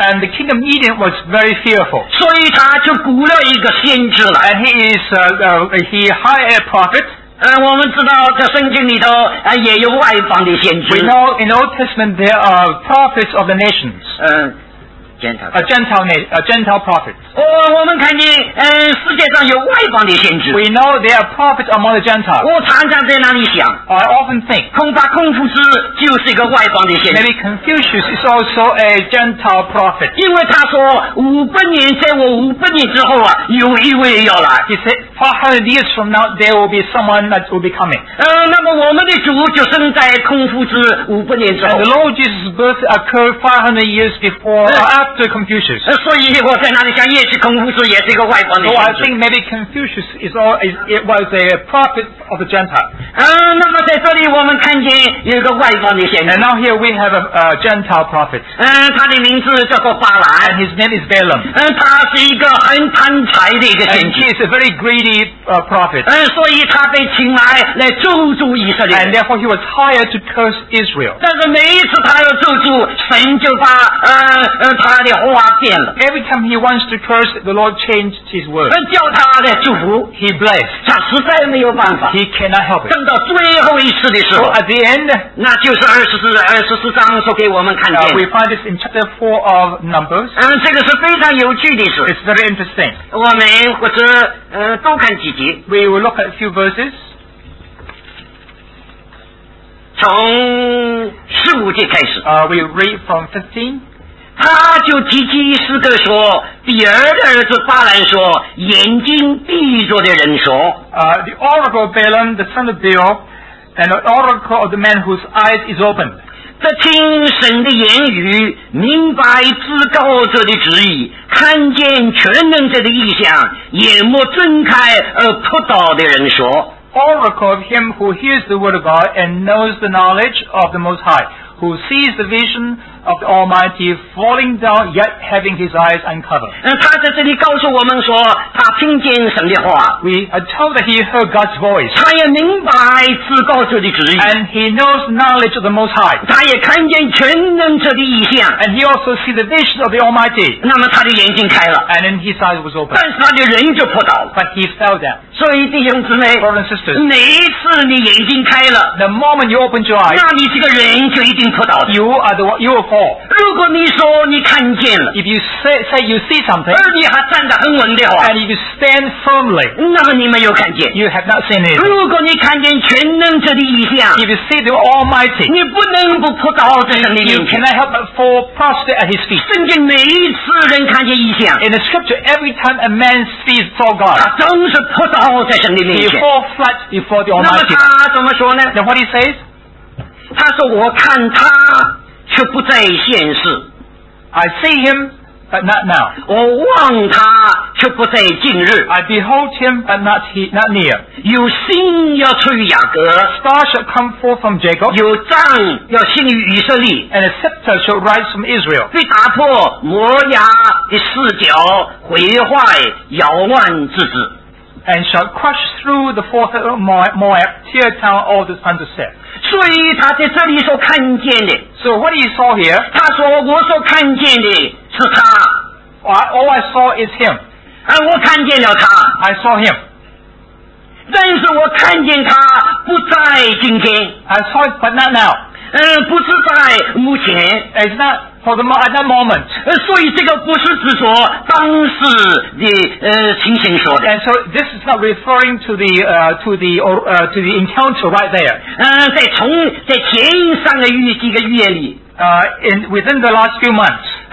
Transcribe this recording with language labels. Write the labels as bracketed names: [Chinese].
[English] And the king of Midian was very fearful. [Chinese] 所以他就雇了一个先知了。 [English] And he is he hired a prophet. [Chinese] 我们知道在圣经里头也有外邦的先知。 [English] We know in Old Testament there are prophets of the nations. Gentile prophets. [Chinese] 我们看见世界上有外邦的先知。 [English] We know there are prophets among the Gentiles. [Chinese] 我常常在那里想。 [English] I often think. [Chinese] 恐怕孔夫子就是一个外邦的先知。 [English] Maybe Confucius is also a Gentile prophet. [Chinese] 因为他说五百年，在我五百年之后啊，有一位要来。 [English] He said. 500 years from now, there will be someone that will be coming. [Chinese] 那么我们的主就生在孔夫子五百年之后。 [English] And the Lord Jesus' birth occurred 500 years before after Confucius. [Chinese] 所以我在那里想，也许孔夫子也是一个外邦的先知。 [English] So I think maybe Confucius was a prophet of the Gentile. [Chinese] 那么在这里我们看见有一个外邦的先知。 [English] And now here we have a Gentile prophet. [Chinese] 他的名字叫做巴兰。 [English] And his name is Balaam. [Chinese] 他是一个很贪财的一个先知。 [English] And he is a very greedy. [Chinese] 所以他被请来咒诅以色列。 [English] And therefore he was hired to curse Israel. [Chinese] 但是每一次他要咒诅，神就把他的话变了。 [English] Every time he wants to curse, the Lord changed his word. [Chinese] 叫他来祝福。 [English] He blessed. [Chinese] 他实在没有办法。 [English] He cannot help it. [Chinese] 等到最后一次的时候。 [English] So at the end, [Chinese] 那就是二十四章所给我们看见。 [English] We find this in chapter 4 of Numbers. [Chinese] 这个是非常有趣的事。 [English] It's very interesting. [Chinese] 我们或者多看几集。 [English] We will look at a few verses. [Chinese] 从十五节开始。 [English] We read from 15. [Chinese] 他就提起诗歌说，比尔的儿子巴兰说，眼睛闭着的人说。 [English] The oracle of Balaam, the son of Beor, and the oracle of the man whose eyes is open. [Chinese] 这听神的言语，明白至高者的旨意。看见全能者的意象，眼目睁开而扑倒的人说 [English] Oracle of him who hears the word of God and knows the knowledge of the Most High, who sees the vision of the Almighty falling down yet having his eyes uncovered. [Chinese] 他在这里告诉我们说他听见神的话。 [English] We are told that he heard God's voice. [Chinese] 他也明白至高者的旨意。 [English] And he knows the knowledge of the Most High. [Chinese] 他也看见全能者的意象。 [English] And he also sees the vision of the Almighty. [Chinese] 那么他的眼睛开了。 [English] And then his eyes was opened. [Chinese] 但是他的人就扑倒。 [English] But he fell down. [Chinese] 所以弟兄姊妹 [English] Brothers and sisters, [Chinese] 哪一次你眼睛开了 [English] The moment you opened your eyes, [Chinese] 那你这个人就一定扑倒了。 [English] You will fall. [Chinese] 如果你说你看见了 [English] If you say you see something, [Chinese] 而你还站得很稳的话 [English] And you stand firmly, [Chinese] 那么你没有看见 [English] You have not seen it. [Chinese] 如果你看见全能者的意象 [English] If you see the Almighty, [Chinese] 你不能不扑倒在神的面前 [English] You cannot help but fall prostrate at his feet. [Chinese] 圣经每一次人看见意象 [English] In the scripture, every time a man sees for God, [Chinese] 他总是扑倒在神的面前 [English] He fall flat before the Almighty. [Chinese] 那么他怎么说呢 [English] Then what he says? [Chinese] 他说我看他却不在现世 [English] I see him but not now [Chinese] 我望他却不在近日 [English] I behold him but not near [Chinese] 有星要出于雅各 [English] Star shall come forth from Jacob [Chinese] 有杖要兴于以色列 [English] And a scepter shall rise from Israel [Chinese] 被打破摩押的四角毁坏摇乱之子 [English] And shall crush through the forehead of Moab tear down all the sons of Seth [Chinese] 所以他在这里所看见的 [English] So what he saw here [Chinese] 他说我所看见的是他 [English] All I saw is him [Chinese] 我看见了他 [English] I saw him [Chinese] 但是我看见他不在今天 [English] I saw it but not now [Chinese] 不是在目前 [English] It's not for the moment, at that moment [Chinese] 所以这个不是只说当时的情形说的 [English] And so this is not referring to the, to the encounter right there [Chinese] 在前三个月几个月里 [English] within the last few months